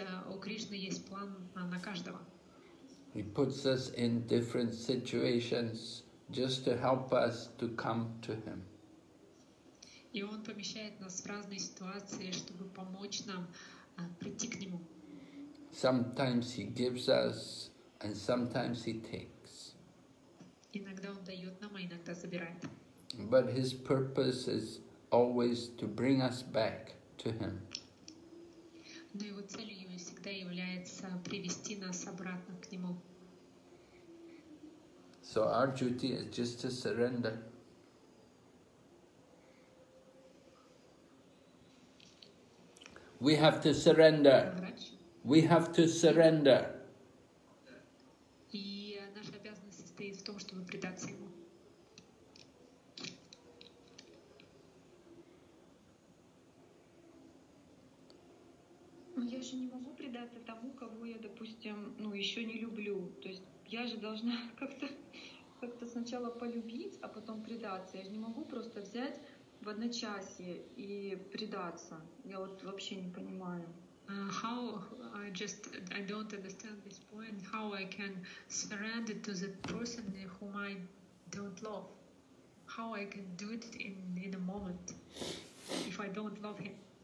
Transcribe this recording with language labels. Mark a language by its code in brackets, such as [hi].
[ru] У Кришны есть план на каждого. [en] He puts us in different situations just to help us to come to him. [ru] И он помещает нас в разные ситуации, чтобы помочь нам прийти к нему. [en] Sometimes he gives us and sometimes he takes. [ru] Иногда он дает нам, а иногда забирает. [en] But his purpose is always to bring us back to him. [ru] Но его целью всегда является привести нас обратно к нему. [en] So our duty is just to surrender. We have to surrender. We have to surrender. [ru] И наша обязанность состоит в том, чтобы предаться ему. Но я же не могу предаться тому, кого я, допустим, еще не люблю. То есть я же должна как-то сначала полюбить, а потом предаться. Я же не могу просто взять в одночасье и предаться. Я вот вообще не понимаю. [en] How I just I don't understand this point. How I can surrender to the person whom I don't love? How I can do it in a moment if I don't love him?